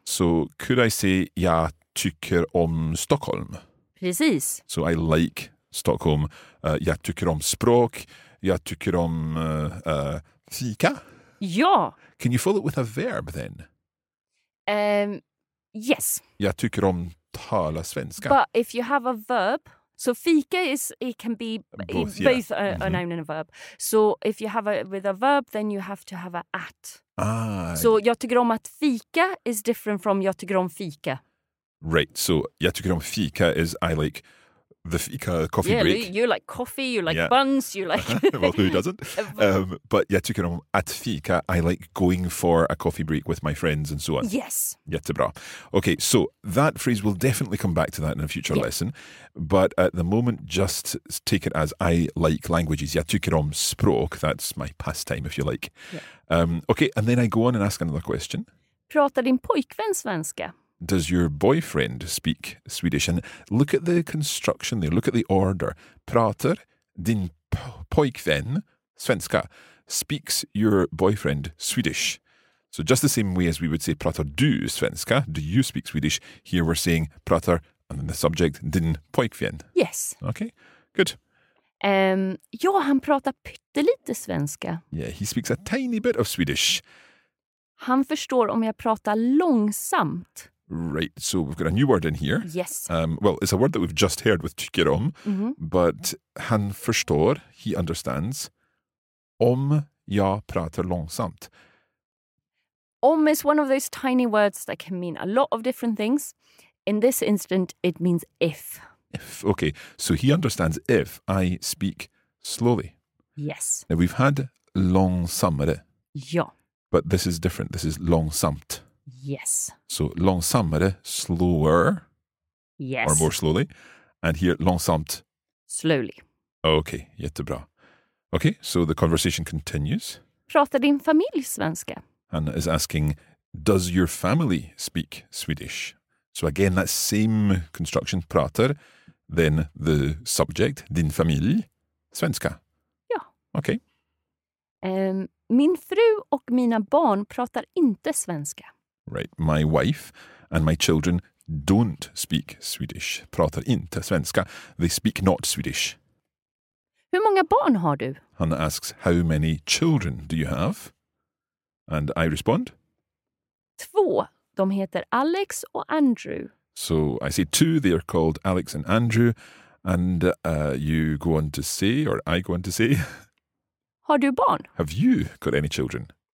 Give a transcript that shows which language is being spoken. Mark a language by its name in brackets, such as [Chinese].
[English] So, could I say, [Swedish] jag tycker om Stockholm? Precis. [English] So, I like Stockholm. [Swedish] Jag tycker om språk. Jag tycker om fika. Ja. [English] Can you fill it with a verb then? Yes. [Swedish] Jag tycker om tala svenska. [English] But if you have a verb, so fika is, it can be both yeah. A noun and a verb. So if you have a with a verb, then you have to have a at. Ah. So [Swedish] jag tycker om att fika [English] is different from [Swedish] jag tycker om fika. [English] Right. So [Swedish] jag tycker om fika [English] is I like the fika coffee yeah, break. You like coffee. You like yeah. buns. You like. Well, who doesn't? [Swedish] But jag tycker om att fika. [English] I like going for a coffee break with my friends and so on. Yes. [Swedish] Jättebra. Okay. [English] So that phrase, we'll definitely come back to that in a future lesson. But at the moment, just take it as I like languages. [Swedish] Jag tycker om språk. [English] That's my pastime, if you like. Yeah. Okay. And then I go on and ask another question. [Swedish] Pratar din pojkvän svenska? [English] Does your boyfriend speak Swedish? And look at the construction there. Look at the order. [Swedish] Pratar din pojkvän svenska. [English] Speaks your boyfriend Swedish. So just the same way as we would say [Swedish] pratar du svenska. [English] Do you speak Swedish? Here we're saying pratar and then the subject [Swedish] din pojkvän. [English] Yes. Okay. Good. [Swedish] Ja, han pratar pyttelite svenska. [English] Yeah, he speaks a tiny bit of Swedish. [Swedish] Han förstår om jag pratar långsamt. [English] Right, so we've got a new word in here. Yes. Well, it's a word that we've just heard with tycker om, but [Swedish] han förstår, [English] he understands, [Swedish] om jag pratar långsamt. [English] Om is one of those tiny words that can mean a lot of different things. In this instance, it means if. If, okay. So he understands if I speak slowly. Yes. Now we've had långsammare. [Swedish] Ja. [English] But this is different. This is långsamt. Yes. So långsammare, slower. Yes. Or more slowly. And here, långsamt. Slowly. Okay, jättebra. Okay, so the conversation continues. [Swedish] Pratar din familj svenska? [English] Anna is asking, does your family speak Swedish? So again, that same construction, pratar, then the subject, [Swedish] din familj, svenska. Ja. [English] Okay. [Swedish] Min fru och mina barn pratar inte svenska. [English] Right, my wife and my children don't speak Swedish. [Swedish] Pratar inte svenska. [English] They speak not Swedish. [Swedish] Hur många barn har du? [English] Hanna asks, how many children do you have? And I respond. [Swedish] Två. De heter Alex och Andrew. [English] So I say two, they are called Alex and Andrew. And you go on to say, or I go on to say. [Swedish] Har du barn? [English] Have you got any children?